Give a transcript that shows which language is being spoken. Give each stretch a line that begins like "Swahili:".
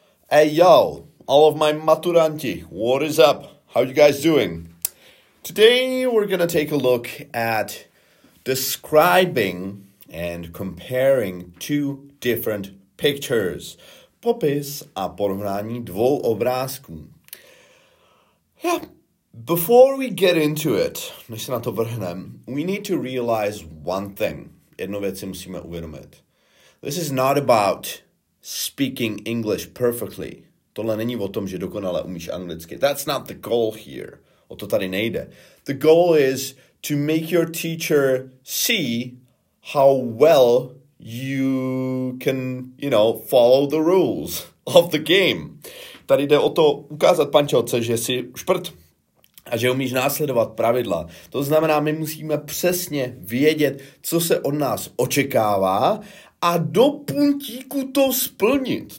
English: Hey y'all, all of my maturanti, what is up? How are you guys doing? Today we're gonna take a look at describing and comparing two different pictures.
Czech: Popis a porovnání dvou obrázků.
English: Yeah, before we get into it,
Czech: než se na to vrhneme,
English: we need to realize one thing.
Czech: Jednu věc si musíme uvědomit.
English: This is not about speaking English perfectly.
Czech: Tohle není o tom, že dokonale umíš anglicky.
English: That's not the goal here.
Czech: O to tady nejde.
English: The goal is to make your teacher see how well you can, you know, follow the rules of the game.
Czech: Tady jde o to ukázat pančelce, že jsi šprt a že umíš následovat pravidla. To znamená, my musíme přesně vědět, co se od nás očekává a do puntíku to splnit.